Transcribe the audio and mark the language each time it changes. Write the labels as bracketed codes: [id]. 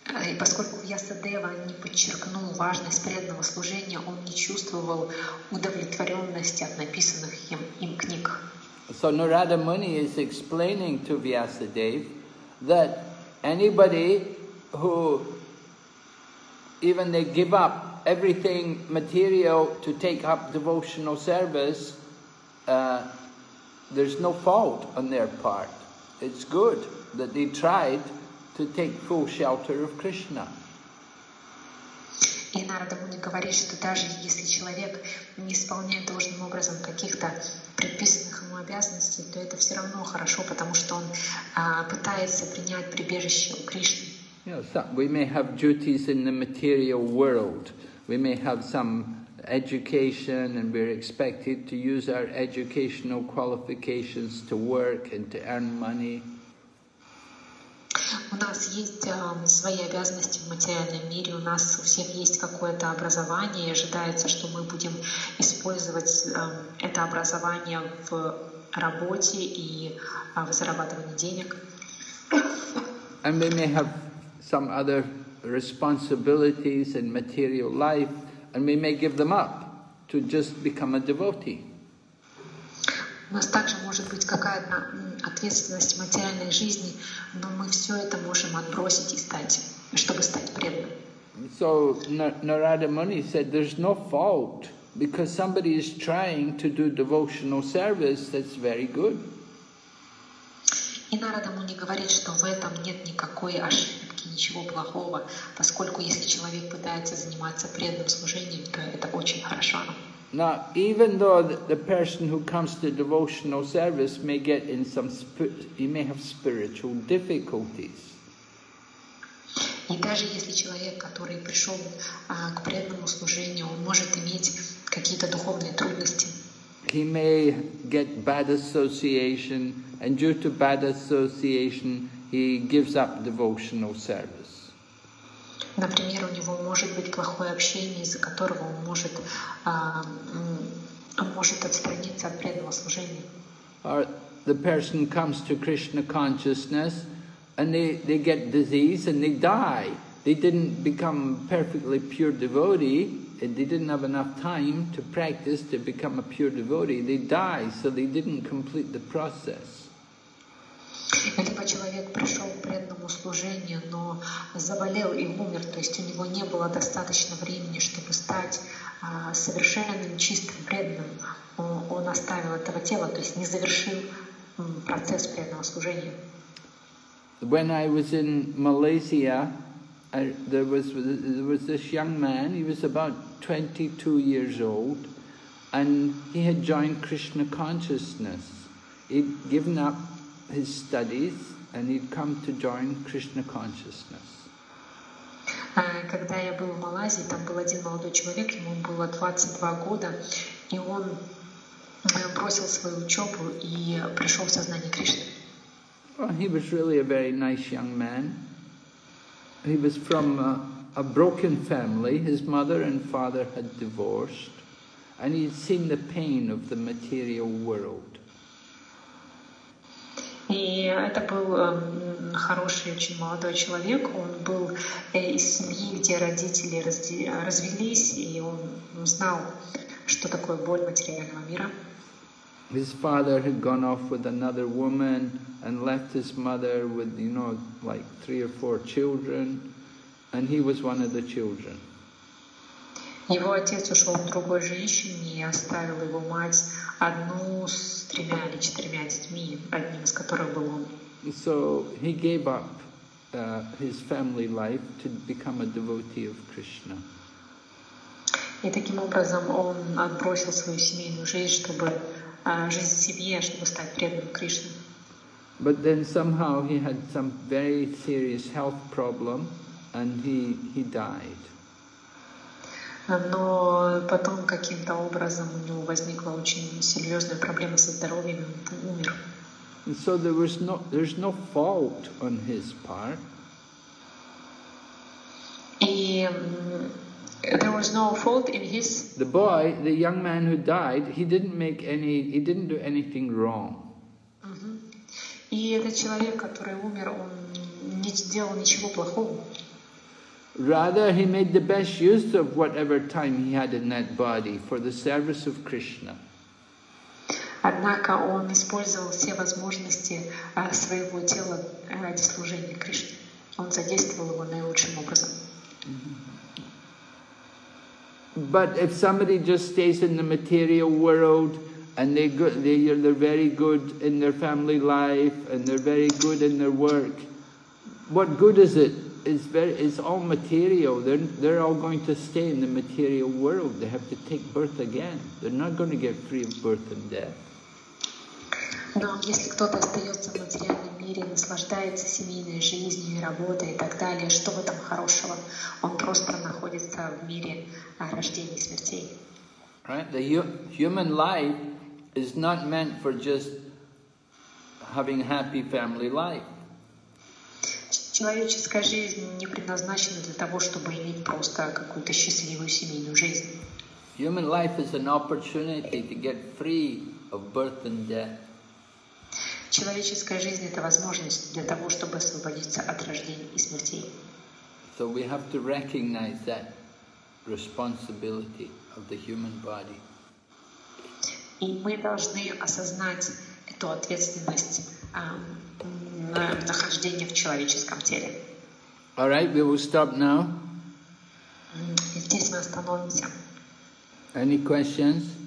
[ru] И поскольку Вьясадева не подчеркнул важность преданного служения, он не чувствовал удовлетворенности от написанных им книг. [en] So Narada Muni is explaining to Vyasadeva that anybody who even they give up everything material to take up devotional service, there's no fault on their part. It's good that they tried to take full shelter of Krishna. [ru] И Нарада Муни говорит, что даже если человек не исполняет должным образом каких-то предписанных ему обязанностей, то это все равно хорошо, потому что он пытается принять прибежище у Кришны. [en] You know, some, we may have duties in the material world. We may have some education, and we're expected to use our educational qualifications to work and to earn money. [ru] У нас есть свои обязанности в материальном мире, у нас у всех есть какое-то образование, и ожидается, что мы будем использовать это образование в работе и в зарабатывании денег. [en] And we may have some other responsibilities in material life, and we may give them up to just become a devotee. [ru] У нас также может быть какая-то ответственность в материальной жизни, но мы все это можем отбросить и стать, чтобы стать преданным. [en] So Narada Muni said, there's no fault, because somebody is trying to do devotional service, that's very good. [ru] И Нарада Муни говорит, что в этом нет никакой ошибки, ничего плохого, поскольку если человек пытается заниматься преданным служением, то это очень хорошо. [en] Now, even though the person who comes to devotional service may get in some, he may have spiritual difficulties. [ru] И даже если человек, который пришел к преданному служению, он может иметь какие-то духовные трудности. [en] He may get bad association, and due to bad association, he gives up devotional service. [ru] Например, у него может быть плохое общение, из-за которого он может отстраниться от преданного служения. [en] Or the person comes to Krishna consciousness and they get disease and they die. They didn't become perfectly pure devotee, and they didn't have enough time to practice to become a pure devotee. They die, so they didn't complete the process. [ru] Либо человек пришел к преданному служению, но заболел и умер, то есть у него не было достаточно времени, чтобы стать совершенным, чистым преданным. Он оставил этого тела, то есть не завершил процесс преданного служения. [en] When I was in Malaysia, there was this young man, he was about 22 years old, and he had joined Krishna consciousness. He'd given up his studies, and he'd come to join Krishna consciousness. [ru] Когда я был в Малайзии, там был один молодой человек, ему было 22 года, и он бросил свою учебу и пришел в сознание Кришны. [en] Well, he was really a very nice young man. He was from a broken family. His mother and father had divorced, and he'd seen the pain of the material world. [ru] И это был хороший, очень молодой человек. Он был из семьи, где родители развелись, и он знал, что такое боль материального мира. [en] His father had gone off with another woman and left his mother with, you know, like three or four children, and he was one of the children. [ru] Его отец ушел к другой женщине и оставил его мать одну с тремя или четырьмя детьми, одним из которых был он. [en] So he gave up his family life to become a devotee of Krishna. [ru] И таким образом он отбросил свою семейную жизнь, чтобы жизнь семьи, чтобы стать преданным Кришне. [en] But then somehow he had some very serious health problem, and he died. [ru] Но потом каким-то образом у него возникла очень серьезная проблема со здоровьем, и он умер. [en] And so there's no fault on his part. [ru] И [en] there was no fault in his. The boy, the young man who died, he didn't do anything wrong. [ru] И этот человек, который умер, он не сделал ничего плохого. [en] Rather, he made the best use of whatever time he had in that body for the service of Krishna. [ru] Однако он использовал все возможности своего тела ради служения Кришне. Он задействовал его наилучшим образом. [en] But if somebody just stays in the material world and they're very good in their family life and they're very good in their work, what good is it it's all material. They're all going to stay in the material world. They have to take birth again. They're not going to get free of birth and death. [ru] Но если кто-то остается в материальном мире, наслаждается семейной жизнью и работой и так далее, что в этом хорошего? Он просто находится в мире рождения и смертей. [en] Right? The human life is not meant for just having happy family life. [ru] Человеческая жизнь не предназначена для того, чтобы иметь просто какую-то счастливую семейную жизнь. [en] Human life is an opportunity to get free of birth and death. [ru] Человеческая жизнь — это возможность для того, чтобы освободиться от рождения и смертей. [en] So we have to recognize that responsibility of the human body. [ru] И мы должны осознать эту ответственность на нахождение в человеческом теле. [en] All right, we will stop now. [ru] Здесь мы остановимся. [en] Any questions?